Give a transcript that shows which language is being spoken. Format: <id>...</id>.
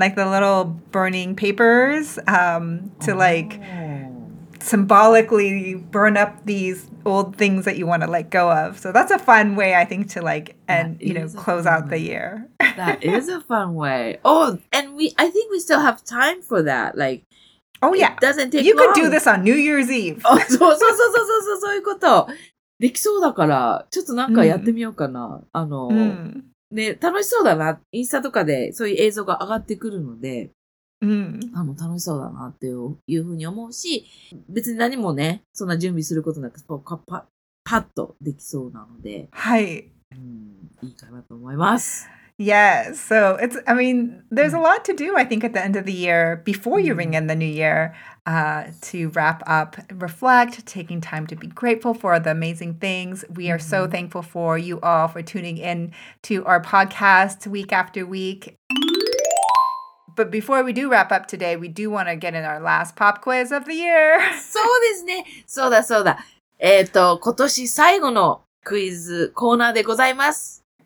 <en>Like the little burning papers to like symbolically burn up these old things that you want to let go of. So that's a fun way, I think, to like, and you know, close out the year. That is a fun way. Oh, and I think we still have time for that. Like, Oh yeah. It doesn't take you long. You could do this on New Year's Eve.</en> <ja>そうそうそうそうそうそう、そういうこと。できそうだから、ちょっとなんかやってみようかな。 Mm. あの、mm. ね、楽しそうだな。インスタとかでそういう映像が上がってくるので、 mm. あの、楽しそうだなっていうふうに思うし、別に何もね、そんな準備することなく、パッとできそうなので。はい。いいかなと思います。</ja> <en>Yes, so it's, I mean, there's a lot to do, I think, at the end of the year, before you ring in the new year, to wrap up, reflect, taking time to be grateful for the amazing things. We are so thankful for you all for tuning in to our podcast week after week. But before we do wrap up today, we do want to get in our last pop quiz of the year.</en> <ja>そうですね。そうだそうだ。今年最後のクイズコーナーでございます。</ja>